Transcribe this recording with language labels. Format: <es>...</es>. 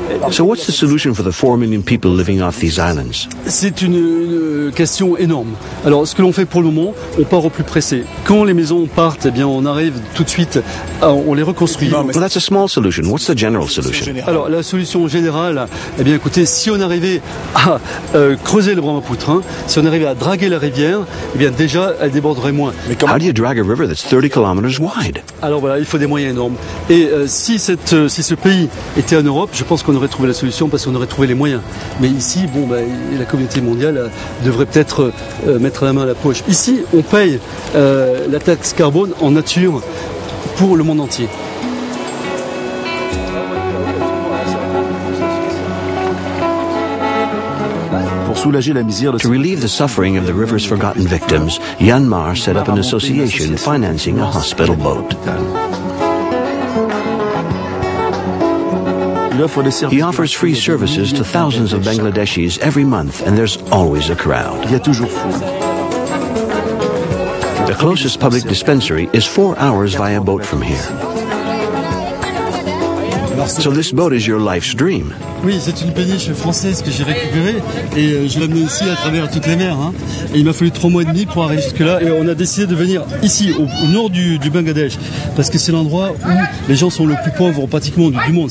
<en>So what's the solution for the 4 million people living off these islands?</en> <fr>C'est une question énorme. Alors, ce que l'on fait pour le moment, on part au plus pressé. Quand les maisons partent, eh bien, on arrive tout de suite, on les reconstruit.</fr> <en>Well, that's a small solution. What's the general solution?</en> <fr>Alors, la solution générale, eh bien, écoutez, si on arrivait à creuser le Brahmapoutre, hein, si on arrivait à draguer la rivière, eh bien, déjà, elle déborderait moins.</fr> <en>How do you drag a river that's 30 kilometers wide?</en> <fr>Alors voilà, il faut des moyens énormes. Et si ce pays était en Europe, je pense qu'on aurait trouvé la solution parce qu'on aurait trouvé les moyens. Mais ici, bon, bah, la communauté mondiale devrait peut-être mettre la main à la poche. Ici, on paye la taxe carbone en nature pour le monde entier.</fr> <en>To relieve the suffering of the river's forgotten victims, Myanmar set up an association financing a hospital boat. He offers free services to thousands of Bangladeshis every month, and there's always a crowd. The closest public dispensary is 4 hours via boat from here. So this boat is your life's dream.</en> <fr>Oui, c'est une péniche française que j'ai récupérée et je l'ai amenée ici à travers toutes les mers. Hein. Et il m'a fallu 3 mois et demi pour arriver jusque-là. Et on a décidé de venir ici, au nord du Bangladesh, parce que c'est l'endroit où les gens sont le plus pauvres pratiquement du monde.</fr>